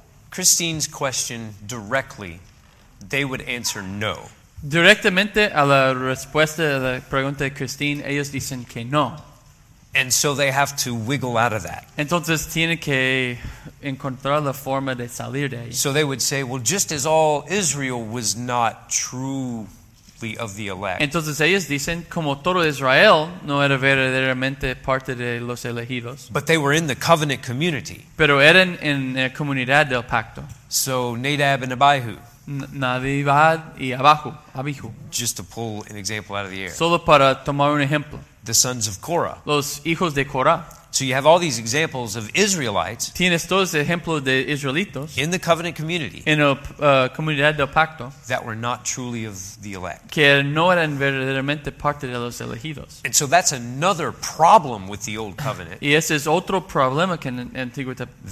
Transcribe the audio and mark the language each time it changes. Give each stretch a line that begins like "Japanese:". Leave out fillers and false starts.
English: Christine's question directly, they would answer no.
Spanish: Directamente a la respuesta de la pregunta de Christine, ellos dicen que no.
English: And so they have to wiggle out of that.
Spanish: Entonces tiene que encontrar la forma de salir de ahí.
English: So they would say, well, just as all Israel was not true of the elect.
Spanish: Entonces ellos dicen como todo Israel no era verdaderamente parte de los elegidos.
English: But they were in the covenant community.
Spanish: Pero eran en la comunidad del pacto.
English: So Nadab and Abihu.
Spanish: Nadab y Abihu.
English: Just to pull an example out of the air.
Spanish: Solo para tomar un ejemplo.
English: The sons of Korah.
Spanish: Los hijos de Korah.
English: So you have all these examples of Israelites.
Spanish: Tienes todos ejemplos de israelitos
English: in the covenant community.
Spanish: En la comunidad del pacto.
English: That were not truly of the elect.
Spanish: Que no eran verdaderamente parte de los elegidos.
English: And so that's another problem with the old covenant.
Spanish: Y ese es otro problema con el antiguo pacto.